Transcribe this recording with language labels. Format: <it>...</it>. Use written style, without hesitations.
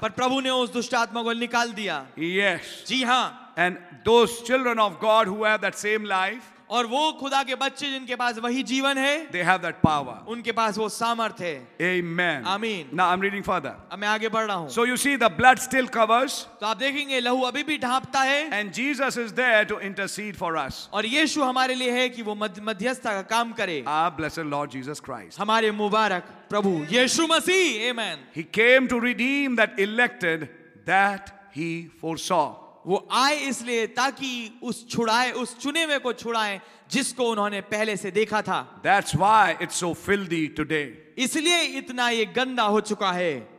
<hi>पर प्रभु ने उस दुष्ट आत्मा को निकाल दिया.</hi> <en>Yes.</en> <hi>जी हाँ.</hi> <en>And those children of God who have that same life.</en> <hi>और वो खुदा के बच्चे जिनके पास वही जीवन है.</hi> <en>They have that power.</en> <hi>उनके पास वो सामर्थ्य है.</hi> <en>Amen. Amen. Now I'm reading further.</en> <hi>अब मैं आगे बढ़ रहा हूँ.</hi> <en>So you see, the blood still covers.</en> <hi>तो आप देखेंगे लहू अभी भी ढांपता है.</hi> <en>And Jesus is there to intercede for us.</en> <hi>और यीशु हमारे लिए है कि वो मध्यस्थता का काम करे.</hi> <en>Ah, blessed Lord Jesus Christ.</en> <hi>हमारे मुबारक प्रभु यीशु मसीह.</hi> <en>Amen. He came to redeem that elected that he foresaw.</en> <hi>वो आए इसलिए ताकि उस छुड़ाए, उस चुने हुए को छुड़ाए जिसको उन्होंने पहले से देखा था.</hi> <en>That's why it's so filthy today.</en> <hi>इसलिए इतना ये गंदा हो चुका है.</hi>